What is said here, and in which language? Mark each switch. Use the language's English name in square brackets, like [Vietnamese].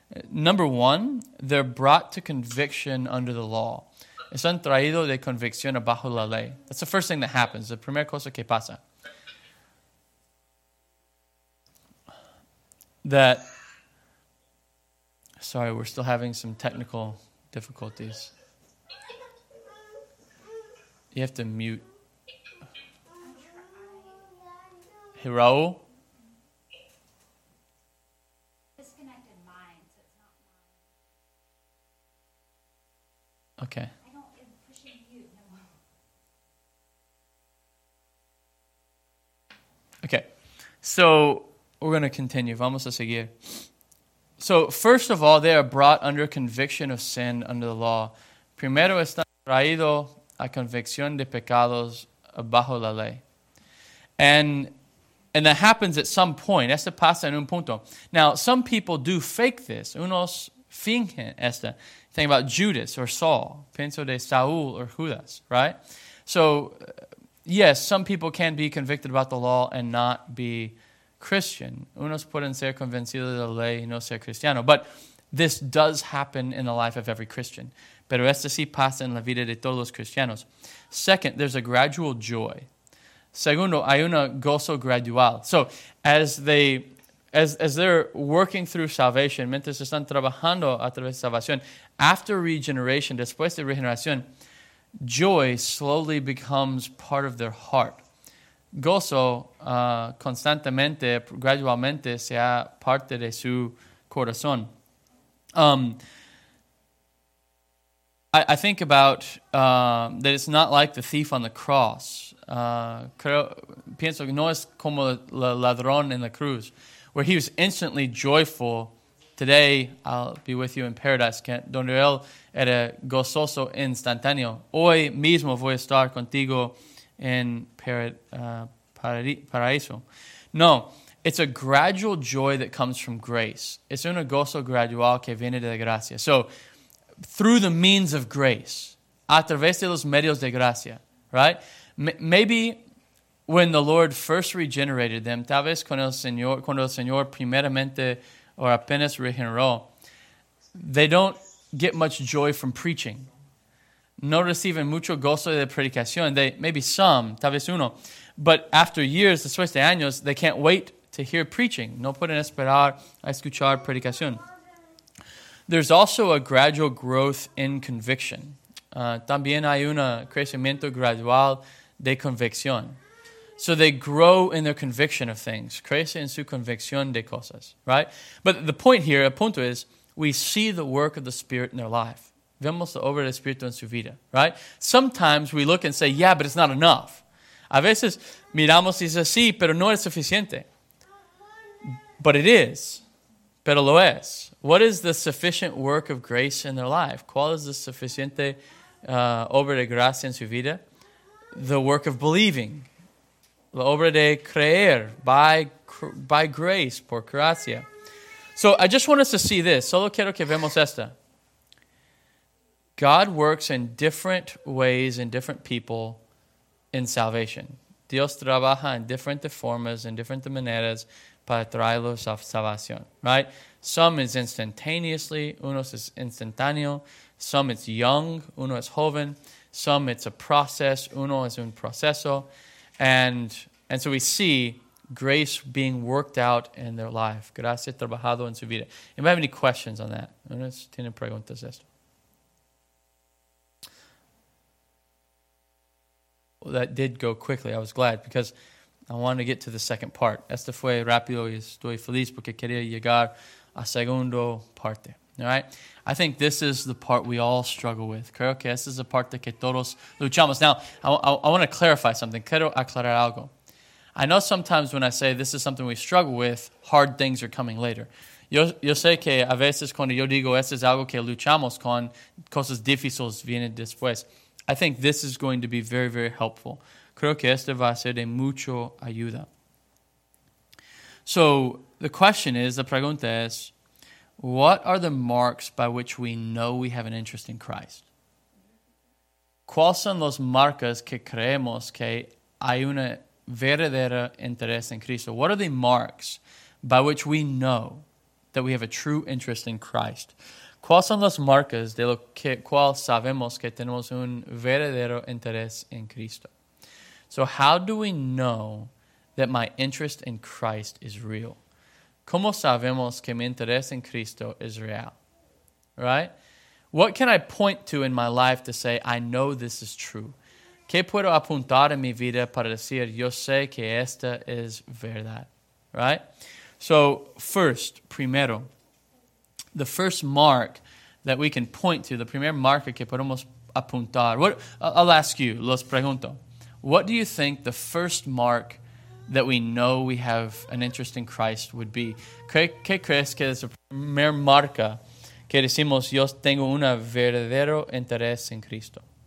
[English] Number one, they're brought to conviction under the law. [Spanish] Son traídos de convicción bajo la ley. [English] That's the first thing that happens, the [Spanish] primera cosa que pasa. [English] Sorry, we're still having some technical difficulties. You have to mute. Hey, Raul? Disconnected mind, so it's not mine. Okay. Okay, so we're going to continue. [Spanish] Vamos a seguir. [English] So first of all, they are brought under conviction of sin under the law. [Spanish] Primero están traídos a convicción de pecados bajo la ley. [English] And that happens at some point. [Spanish] Esto pasa en un punto. [English] Now, some people do fake this. [Spanish] Unos fingen esta. [English] Think about Judas or Saul. [Spanish] Pienso de [English] Saul or Judas, right? So yes, some people can be convicted about the law and not be Christian. [Spanish] Unos pueden ser convencidos de la ley y no ser cristiano. [English] But this does happen in the life of every Christian. [Spanish] Pero esto sí pasa en la vida de todos los cristianos. [English] Second, there's a gradual joy. [Spanish] Segundo, hay un gozo gradual. [English] So as they're working through salvation, [Spanish] mientras están trabajando a través de salvación, [English] after regeneration, [Spanish] después de regeneración, [English] joy slowly becomes part of their heart. [Spanish] Gozo constantemente, gradualmente, sea parte de su corazón. [English] I think about that it's not like the thief on the cross. [Spanish] Pienso que no es como el ladrón en la cruz, [English] where he was instantly joyful. Today, I'll be with you in paradise, Kent, [Spanish] donde él era gozoso instantáneo. Hoy mismo voy a estar contigo en paraíso. [English] No, it's a gradual joy that comes from grace. [Spanish] Es un gozo gradual que viene de la gracia. [English] So, through the means of grace, [Spanish] a través de los medios de gracia, [English] right? Maybe when the Lord first regenerated them, [Spanish] tal vez cuando el Señor primeramente or apenas regeneró, [English] they don't get much joy from preaching. [Spanish] No reciben mucho gozo de predicación. [English] Maybe some, [Spanish] tal vez uno. [English] But after years, [Spanish] después de años, [English] they can't wait to hear preaching. [Spanish] No pueden esperar a escuchar predicación. [English] There's also a gradual growth in conviction. [Spanish] También hay un crecimiento gradual de convicción. [English] So they grow in their conviction of things. [Spanish] Crece en su convicción de cosas, right? [English] But the point here, [Spanish] el punto [English] is, we see the work of the Spirit in their life. [Spanish] Vemos la obra del Espíritu en su vida, [English] right? Sometimes we look and say, yeah, but it's not enough. [Spanish] A veces miramos y dice, sí, pero no es suficiente. [English] But it is. [Spanish] Pero lo es. [English] What is the sufficient work of grace in their life? [Spanish] ¿Cuál es la suficiente obra de gracia en su vida? [English] The work of believing. [Spanish] La obra de creer, [English] by grace, [Spanish] por gracia. [English] So I just want us to see this. [Spanish] Solo quiero que vemos esta. [English] God works in different ways in different people in salvation. [Spanish] Dios trabaja en diferentes formas, en diferentes maneras para traerlos a salvación, right? [English] Some is instantaneously, [Spanish] unos es instantáneo. [English] Some it's young, [Spanish] uno es joven. [English] Some it's a process, [Spanish] uno es un proceso. [English] And so we see grace being worked out in their life. [Spanish] Gracias trabajado en su vida. [English] Anybody have any questions on that? [Spanish] ¿Unos tienen preguntas de esto? [English] Well, that did go quickly. I was glad because I wanted to get to the second part. [Spanish] Esto fue rápido y estoy feliz porque quería llegar a segundo parte. [English] All right? I think this is the part we all struggle with. [Spanish] Creo que esta es la parte que todos luchamos. [English] Now, I want to clarify something. [Spanish] Quiero aclarar algo. [English] I know sometimes when I say this is something we struggle with, hard things are coming later. [Spanish] Yo sé que a veces cuando yo digo esto es algo que luchamos con, cosas difíciles vienen después. [English] I think this is going to be very, very helpful. [Spanish] Creo que esto va a ser de mucho ayuda. [English] So, the question is, [Spanish] la pregunta es, [English] what are the marks by which we know we have an interest in Christ? [Spanish] ¿Cuáles son las marcas que creemos que hay una verdadera interés en Cristo? [English] What are the marks by which we know that we have a true interest in Christ? [Spanish] ¿Cuáles son las marcas de lo que cual sabemos que tenemos un verdadero interés en Cristo? [English] So how do we know that my interest in Christ is real? [Spanish] ¿Cómo sabemos que mi interés en Cristo es real? Right? [English] What can I point to in my life to say, I know this is true? [Spanish] ¿Qué puedo apuntar en mi vida para decir, yo sé que esta es verdad? [English] Right? So, first, [Spanish] primero, [English] the first mark that we can point to, the [Spanish] primer marca que podemos apuntar. [English] What, I'll ask you, [Spanish] los pregunto. [English] What do you think the first mark that we know we have an interest in Christ would be? [Spanish] ¿Qué crees que es la primera marca que decimos, yo tengo un verdadero interés en Cristo?